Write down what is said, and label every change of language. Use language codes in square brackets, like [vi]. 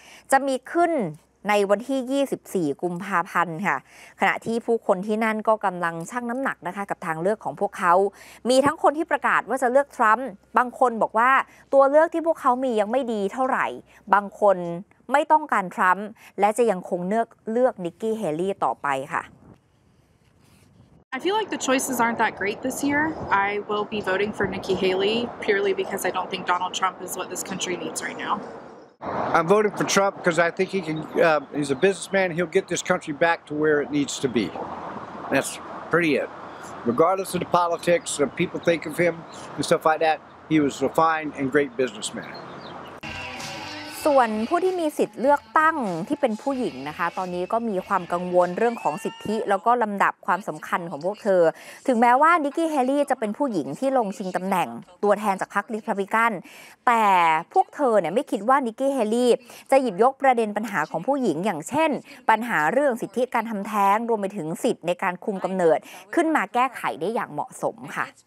[th] จะมีขึ้นในวันที่24กุมภาพันธ์ค่ะขณะที่ผู้คนที่นั่นก็กำลังชั่งน้ำหนักนะคะกับทางเลือกของพวกเขามีทั้งคนที่ประกาศว่าจะเลือกทรัมป์บางคนบอกว่าตัวเลือกที่พวกเขามียังไม่ดีเท่าไหร่บางคนไม่ต้องการทรัมป์และจะยังคงเลือกนิกกี้เฮลี่ต่อไปค่ะ [en] I feel like the choices aren't that great this year. I will be voting for Nikki Haley purely because I don't think Donald Trump is what this country needs right now I'm voting for Trump because I think he can. He's a businessman. He'll get this country back to where it needs to be. That's pretty it. Regardless of the politics that people think of him and stuff like that, he was a fine and great businessman. [th] ส่วนผู้ที่มีสิทธิ์เลือกตั้งที่เป็นผู้หญิงนะคะตอนนี้ก็มีความกังวลเรื่องของสิทธิแล้วก็ลำดับความสำคัญของพวกเธอถึงแม้ว่านิกกี้เฮลี่จะเป็นผู้หญิงที่ลงชิงตำแหน่งตัวแทนจากพรรครีพับลิกันแต่พวกเธอเนี่ยไม่คิดว่านิกกี้เฮลี่จะหยิบยกประเด็นปัญหาของผู้หญิงอย่างเช่นปัญหาเรื่องสิทธิการทำแท้งรวมไปถึงสิทธิในการคุมกำเนิดขึ้นมาแก้ไขได้อย่างเหมาะสมค่ะ